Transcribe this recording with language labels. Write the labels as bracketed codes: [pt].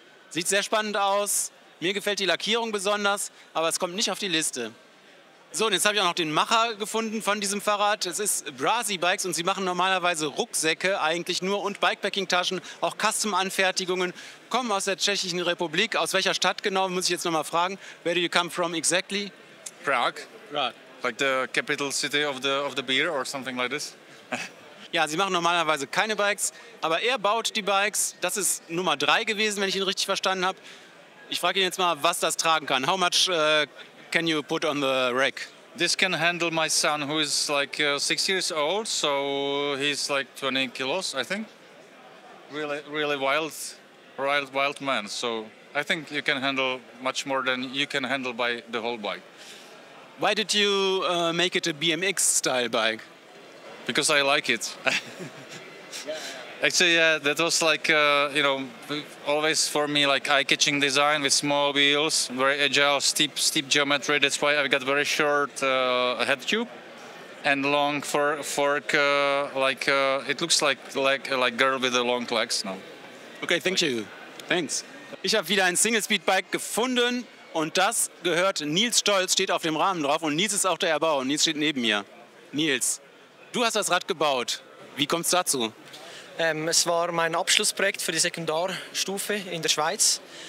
[de] Sieht sehr spannend aus. Mir gefällt die Lackierung besonders, aber es kommt nicht auf die Liste. So, und jetzt habe ich auch noch den Macher gefunden von diesem Fahrrad. Es ist Brasi Bikes und sie machen normalerweise Rucksäcke eigentlich nur und Bikepacking-Taschen, auch Custom-Anfertigungen. Kommen aus der Tschechischen Republik. Aus welcher Stadt genau, muss ich jetzt nochmal fragen. [en] Where do you come from exactly? Prague. Like the capital city of the beer or something like this. [de] Ja, sie machen normalerweise keine Bikes, aber er baut die Bikes. Das ist Nummer 3 gewesen, wenn ich ihn richtig verstanden habe. Ich frage ihn jetzt mal, was das tragen kann. [en] How much can you put on the rack? This can handle my son, who is like 6 years old, so he's like 20 kilos, I think. Really, really wild, wild, wild man. So I think you can handle much more than you can handle by the whole bike. Why did you make it a BMX style bike? Because I like it. Actually, yeah, that was like, you know, always for me, like eye-catching design with small wheels, very agile, steep geometry. That's why I've got very short head tube and long fork, it looks like a girl with a long legs now. Okay, thank you. Thanks. [de] Ich habe wieder ein Single-Speed-Bike gefunden und das gehört Nils Stolz, steht auf dem Rahmen drauf und Nils ist auch der Erbauer. Nils steht neben mir. Nils, du hast das Rad gebaut. Wie kommt es dazu? Es war mein Abschlussprojekt für die Sekundarstufe in der Schweiz.